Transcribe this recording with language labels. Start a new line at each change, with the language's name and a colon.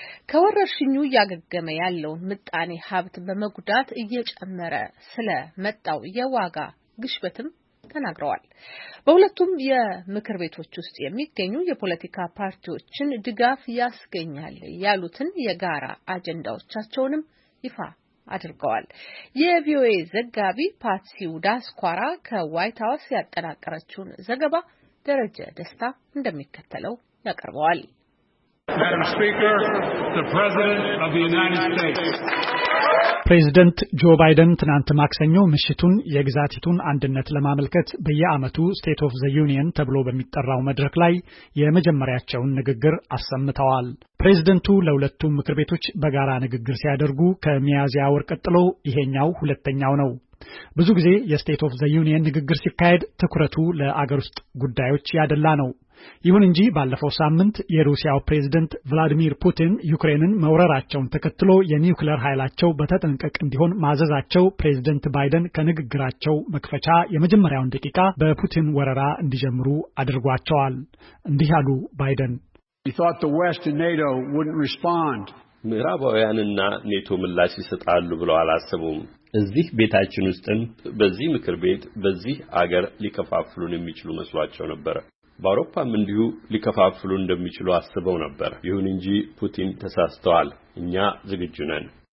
Amharic: ከወረርሽኙ ያገገመ ያለውን ምጣኔ ሀብት በመጉዳት እየጨመረ ስለመጣው የዋጋ ግሽበትም ተናግረዋል። በሁለቱም የምክር ቤቶች ውስጥ የሚገኙ የፖለቲካ ፓርቲዎችን ድጋፍ ያስገኛል ያሉትን የጋራ አጀንዳዎቻቸውንም ይፋ አድርገዋል። የቪኦኤ ዘጋቢ ፓትሲ ዳስኳራ ከዋይት ሀውስ ያጠናቀረችውን ዘገባ ደረጀ ደስታ እንደሚከተለው ያቀርበዋል።
English: Madam Speaker, the President of the United States.
Amharic: ፕሬዚደንት ጆ ባይደን ትናንት ማክሰኞ ምሽቱን የግዛቲቱን አንድነት ለማመልከት በየአመቱ ስቴት ኦፍ ዘ ዩኒየን ተብሎ በሚጠራው መድረክ ላይ የመጀመሪያቸውን ንግግር አሰምተዋል። ፕሬዚደንቱ ለሁለቱም ምክር ቤቶች በጋራ ንግግር ሲያደርጉ ከሚያዚያ ወር ቀጥሎ ይሄኛው ሁለተኛው ነው። ብዙ ጊዜ የስቴት ኦፍ ዘ ዩኒየን ንግግር ሲካሄድ ትኩረቱ ለአገር ውስጥ ጉዳዮች ያደላ ነው። ይሁን እንጂ ባለፈው ሳምንት የሩሲያው ፕሬዝደንት ቭላድሚር ፑቲን ዩክሬንን መውረራቸውን ተከትሎ የኒውክሌር ኃይላቸው በተጠንቀቅ እንዲሆን ማዘዛቸው ፕሬዝደንት ባይደን ከንግግራቸው መክፈቻ የመጀመሪያውን ደቂቃ በፑቲን ወረራ እንዲጀምሩ አድርጓቸዋል። እንዲህ አሉ ባይደን።
English: He thought the West and NATO wouldn't respond.
Amharic: ምዕራባውያንና ኔቶ ምላሽ ይሰጣሉ ብለው አላሰቡም። እዚህ ቤታችን ውስጥም በዚህ ምክር ቤት በዚህ አገር ሊከፋፍሉን የሚችሉ መስሏቸው ነበር። ባሮፓም እንዲሁ ሊከፋፍሉ እንደሚችሉ አስበው ነበር። ይሁን እንጂ ፑቲን ተሳስተዋል። እኛ ዝግጁ ነን።